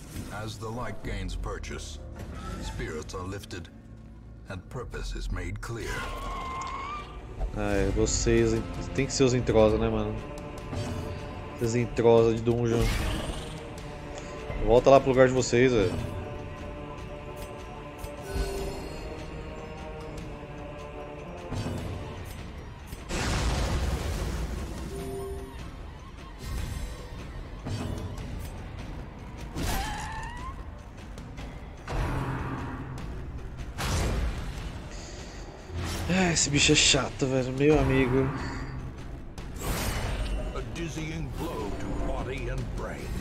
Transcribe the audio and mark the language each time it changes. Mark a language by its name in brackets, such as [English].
[English] As the light gains purchase, spirits are lifted, and purpose is made clear. [Portuguese] Ai, vocês tem que ser os entrosa, né, mano? Vocês entrosa de dungeon. Volta lá pro lugar de vocês, velho. Esse bicho é chato, velho, meu amigo. [English] A dizzying blow to body and brain.